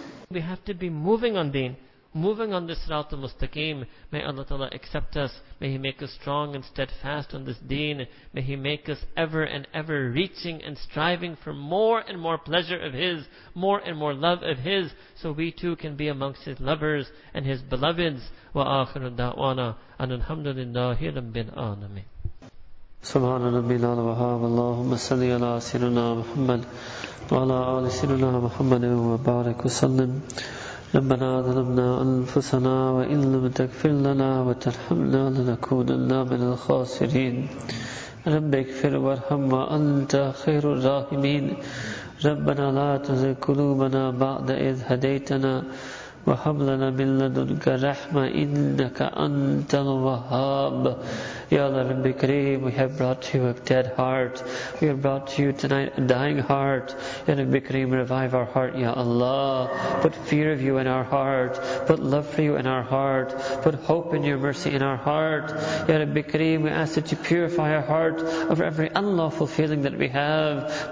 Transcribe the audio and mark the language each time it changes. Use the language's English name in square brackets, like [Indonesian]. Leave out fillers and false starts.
[English] We have to be moving on deen. Moving on this Sirat al-Mustaqim, may Allah Ta'ala accept us, may He make us strong and steadfast on this deen, may He make us ever and ever reaching and striving for more and more pleasure of His, more and more love of His, so we too can be amongst His lovers and His beloveds. [Arabic] Wa akhiru da'wana, an alhamdulillahi rabbil alameen. سبحان ربي لا إله إلا الله مسلي على سيدنا محمد وعلى آل سيدنا محمد وبارك وسلم ربنا ظلمنا أنفسنا وإن لم تغفر لنا وترحمنا لنكونن من الخاسرين رب اغفر وارحم وأنت خير الراحمين ربنا لا تزغ قلوبنا بعد إذ هديتنا وهب لنا من لدنك رحمة إنك أنت الوهاب. [English] Ya Allah, Rabbi Kareem, we have brought to You a dead heart. We have brought to You tonight a dying heart. Ya Rabbi Kareem, revive our heart, Ya Allah. Put fear of You in our heart. Put love for You in our heart. Put hope in Your mercy in our heart. Ya Rabbi Kareem, we ask that You purify our heart of every unlawful feeling that we have.